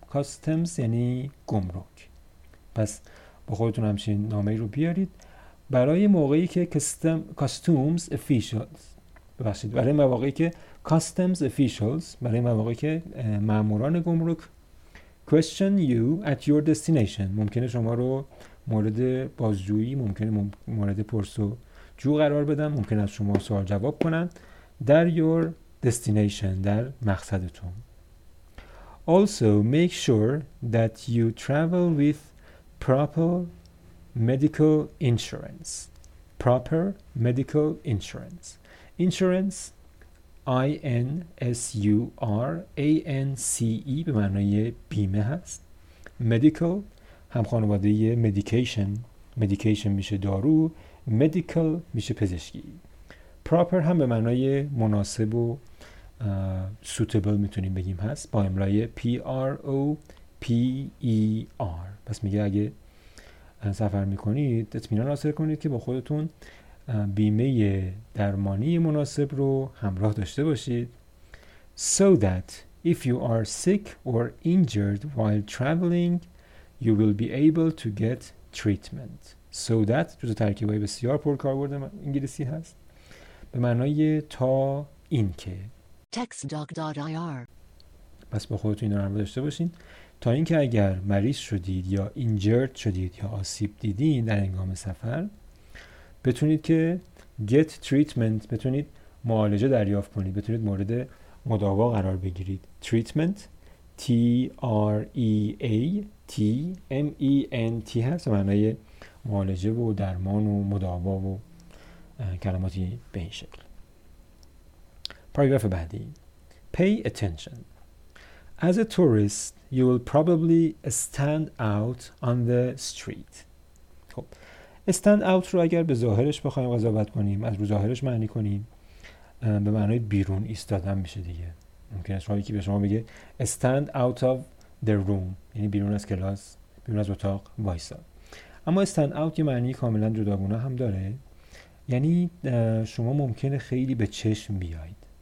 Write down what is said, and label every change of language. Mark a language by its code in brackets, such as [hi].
[fa] کاستمز یعنی گمرک. پس با خودتون همچین نامه رو بیارید برای موقعی که کاستومز افیشلز، ببخشید، برای مواقعی که کاستومز افیشلز، برای مواقعی که ماموران گمرک [en] question you at your destination، [fa] ممکنه شما رو مورد بازجویی، ممکنه مورد پرسوجو قرار بدن، ممکن از شما سوال جواب کنن در [en] your destination، [fa] در مقصدتون. [en] Also make sure that you travel with proper medical insurance. Proper medical insurance. [fa] Insurance INSURANCE به معنای بیمه هست. Medical هم خانواده medication، medication میشه دارو، medical میشه پزشکی. Proper هم به معنای مناسب و suitable میتونیم بگیم هست، با املای PROPER. پس میگه اگه سفر میکنید اطمینان حاصل کنید که با خودتون بیمه درمانی مناسب رو همراه داشته باشید. [en] So that if you are sick or injured while traveling you will be able to get treatment. [fa] So that جزء ترکیبای بسیار پرکاربرد انگلیسی هست به معنای تا این که. textdoc.ir. پس با خودتون این رو همراه داشته باشین تا اینکه اگر مریض شدید یا injured شدید یا آسیب دیدین در هنگام سفر بتونید که [en] get treatment، [fa] بتونید معالجه دریافت کنید، بتونید مورد مداوا قرار بگیرید. treatment TREATMENT هست، معنای معالجه و درمان و مداوا و کلماتی به این شکل. پاراگراف بعدی: [en] pay attention. As a tourist, you will probably stand out on the street. [fa] خب، stand out رو اگر به ظاهرش بخوایم قضاوت کنیم، از رو ظاهرش معنی کنیم، به معنای بیرون ایستادن میشه دیگه. ممکن است یکی به شما بگه [en] stand out of the room، [fa] یعنی بیرون از کلاس، بیرون از اتاق وایسا. اما stand out یه معنی کاملا جداگونه هم داره، یعنی شما ممکنه خیلی به چشم بیاید.